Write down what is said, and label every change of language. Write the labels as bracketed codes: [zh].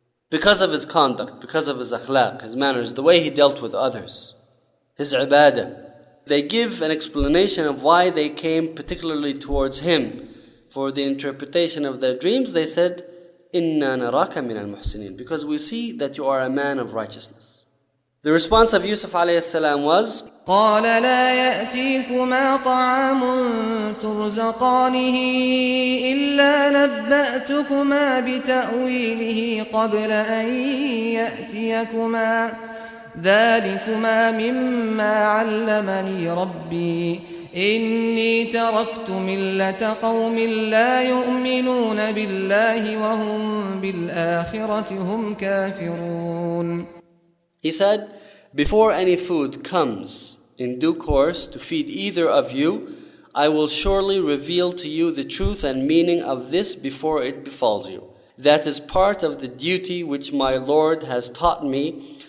[en] Because of his conduct, because of his akhlaq, his manners, the way he dealt with others, his ibadah. They give an explanation of why they came particularly towards him for the interpretation of their dreams. They said, [ar] Inna naraka minal muhsinin, [en] because we see that you are a man of righteousness. The response of Yusuf alayhi salam was, [ar] قال لا يأتيكما طعام ترزقانه إلا نبأتكما بتأويله قبل أن يأتيكما ذلكما مما علمني ربي إني تركت ملة قوم لا يؤمنون بالله وهم بالآخرة هم كافرون. [en] He said, before any food comes in due course to feed either of you, I will surely reveal to you the truth and meaning of this before it befalls you. That is part of the duty which my Lord has taught me.